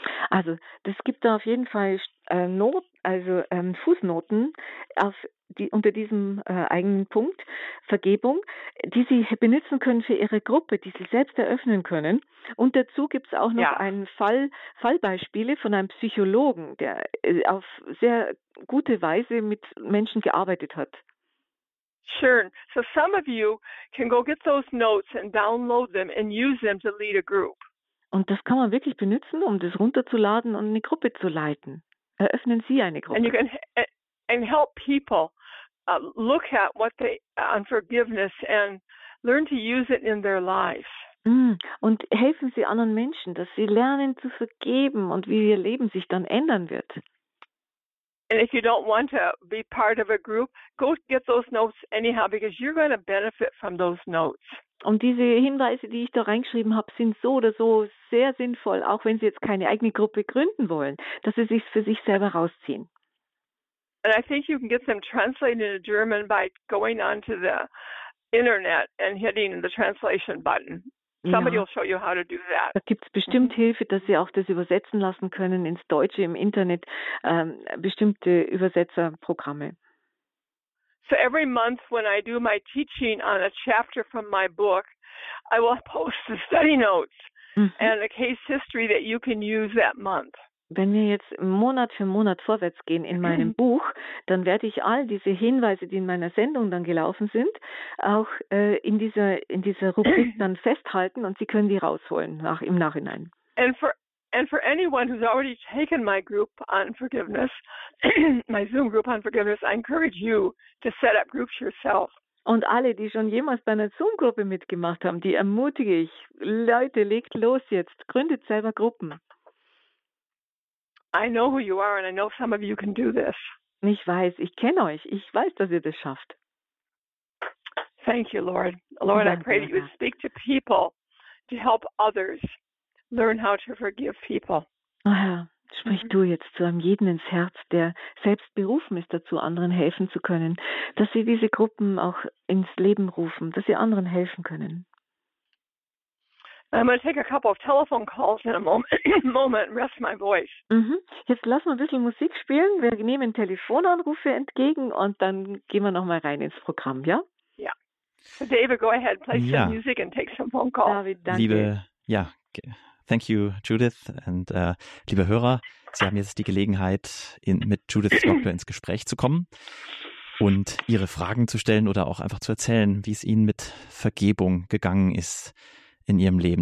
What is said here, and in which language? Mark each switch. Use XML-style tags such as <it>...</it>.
<de>Also, das gibt da auf jeden Fall Fußnoten auf die, unter diesem eigenen Punkt Vergebung, die Sie benutzen können für Ihre Gruppe, die Sie selbst eröffnen können. Und dazu gibt es auch noch einen Fallbeispiele von einem Psychologen, der auf sehr gute Weise mit Menschen gearbeitet hat.</de> <en>Sure. So some of you can go get those notes and download them and use them to lead a group.</en> <de>Und das kann man wirklich benutzen, um das runterzuladen und eine Gruppe zu leiten. Eröffnen Sie eine Gruppe.</de> <en>And you can and help people look at what they on forgiveness and learn to use it in their lives.</en> <de>Und helfen Sie anderen Menschen, dass sie lernen zu vergeben und wie ihr Leben sich dann ändern wird.</de> <en>And if you don't want to be part of a group, go get those notes anyhow, because you're going to benefit from those notes.</en> <de>Und diese Hinweise, die ich da reingeschrieben habe, sind so oder so sehr sinnvoll, auch wenn Sie jetzt keine eigene Gruppe gründen wollen, dass Sie sich für sich selber rausziehen.</de> <en>And I think you can get them translated into German by going onto the internet and hitting the translation button. Somebody will show you how to do that.</en> <de>Da gibt es bestimmt Hilfe, dass Sie auch das übersetzen lassen können ins Deutsche im Internet, bestimmte Übersetzerprogramme.</de> <en>So every month when I do my teaching on a chapter from my book, I will post the study notes and a case history that you can use that month.</en> <de>Wenn wir jetzt Monat für Monat vorwärts gehen in meinem Buch, dann werde ich all diese Hinweise, die in meiner Sendung dann gelaufen sind, auch in dieser Rubrik dann festhalten und Sie können die rausholen im Nachhinein.</de> <en>And for anyone who's already taken my group on forgiveness, my Zoom group on forgiveness, I encourage you to set up groups yourself.</en> <de>Und alle, die schon jemals bei einer Zoom-Gruppe mitgemacht haben, die ermutige ich, Leute, legt los jetzt, gründet selber Gruppen.</de> <en>I know who you are and I know some of you can do this.</en> <de>Ich weiß, ich kenne euch. Ich weiß, dass ihr das schafft.</de> <en>Thank you, Lord. Lord,</en> <de>danke,</de> <en>I pray that you would speak to people to help others learn how to forgive people.</en> <de>Oh Herr, sprich du jetzt zu einem jeden ins Herz, der selbst berufen ist, dazu anderen helfen zu können, dass sie diese Gruppen auch ins Leben rufen, dass sie anderen helfen können.</de> <en>I'm going to take a couple of telephone calls in a moment and rest my voice.</en> <de>Jetzt lassen wir ein bisschen Musik spielen. Wir nehmen Telefonanrufe entgegen und dann gehen wir nochmal rein ins Programm, ja?</de> <en>Ja. Yeah. So David, go ahead, play some music and take some phone calls.</en> <de>David, danke. Liebe, ja,</de> <en>Thank you,</en> <de>Judith. Und liebe Hörer, Sie haben jetzt die Gelegenheit, mit Judith Doctor ins Gespräch zu kommen und Ihre Fragen zu stellen oder auch einfach zu erzählen, wie es Ihnen mit Vergebung gegangen ist in Ihrem Leben.</de>